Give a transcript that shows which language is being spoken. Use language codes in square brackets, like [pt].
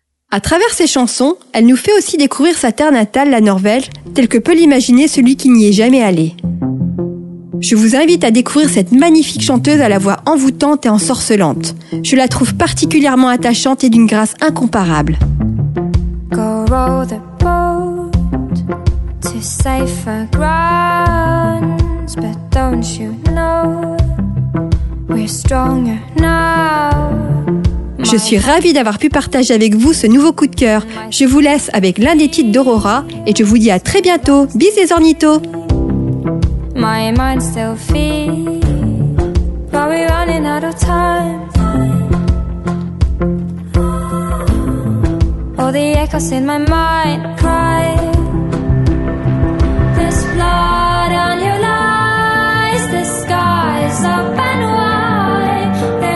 [fr] À travers ses chansons, elle nous fait aussi découvrir sa terre natale, la Norvège, telle que peut l'imaginer celui qui n'y est jamais allé. Je vous invite à découvrir cette magnifique chanteuse à la voix envoûtante et ensorcelante. Je la trouve particulièrement attachante et d'une grâce incomparable. [en] Go row the boat to safer grounds, but don't you know we're stronger now. [fr] Je suis ravie d'avoir pu partager avec vous ce nouveau coup de cœur. Je vous laisse avec l'un des titres d'Aurora et je vous dis à très bientôt. Bis les ornithos. [en] My mind still feels, but we're running out of time. All the echoes in my mind cry. There's blood on your lies, the sky's open wide.